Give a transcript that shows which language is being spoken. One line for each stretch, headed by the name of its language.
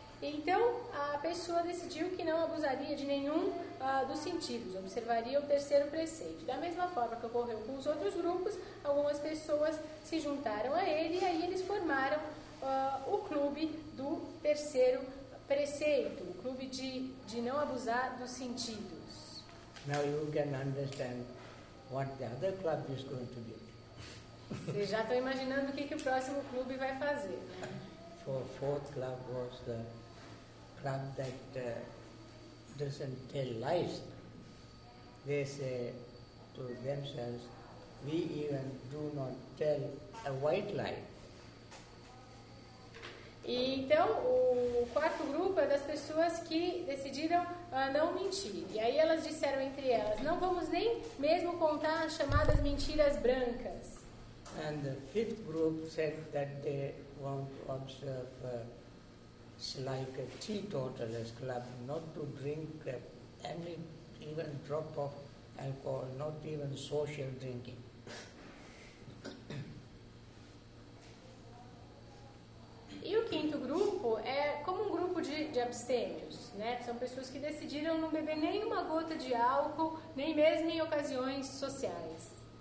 Portuguese: Então, a pessoa decidiu que não abusaria de nenhum dos sentidos, observaria o terceiro preceito. Da mesma forma que ocorreu com os outros grupos, algumas pessoas se juntaram a ele e aí eles formaram o clube do terceiro preceito, o clube de não abusar dos sentidos.
English: Now you can understand what the other club is going to be.
Portuguese: Vocês já estão imaginando o que o próximo clube vai fazer.
English: For fourth club was the club that doesn't tell lies. They say to themselves, we even do not tell a white lie.
Portuguese: E então, o quarto grupo é das pessoas que decidiram não mentir. E aí elas disseram entre elas, não vamos nem mesmo contar as chamadas mentiras brancas.
English: And the fifth group said that they want to observe it's like a teetotaler's club, not to drink any, even drop of alcohol, not even social drinking.
Portuguese: E o quinto grupo é como um grupo de abstêmios, né? São pessoas que decidiram não beber nem uma gota de álcool, nem mesmo em ocasiões sociais.